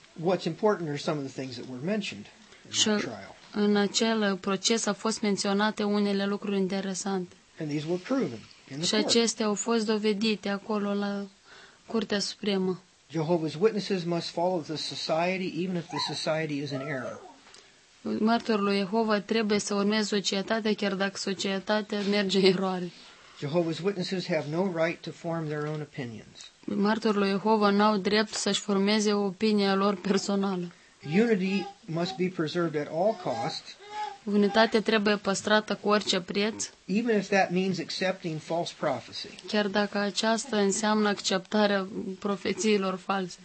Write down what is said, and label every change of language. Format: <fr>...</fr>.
<en>What's important are some of the things that were mentioned in the trial.</en> <ro>În acel proces au fost menționate unele lucruri interesante.</ro> <en>And these were proven in the court.</en> <ro>Și acestea au fost dovedite acolo la Curtea Supremă.</ro> <en>Jehovah's Witnesses must follow the society even if the society is in error.</en> <ro>Martorul lui Jehova trebuie să urmeze societatea chiar dacă societatea merge în eroare.</ro> <en>Jehovah's Witnesses have no right to form their own opinions.</en> <ro>Martorul lui Jehova n-au drept să-și formeze o opinie a lor personală.</ro> <en>Unity must be preserved at all costs.</en> <ro>Unitatea trebuie păstrată cu orice preț.</ro> <en>Even if that means accepting false prophecy.</en> <ro>Chiar dacă aceasta înseamnă acceptarea profețiilor false.</ro>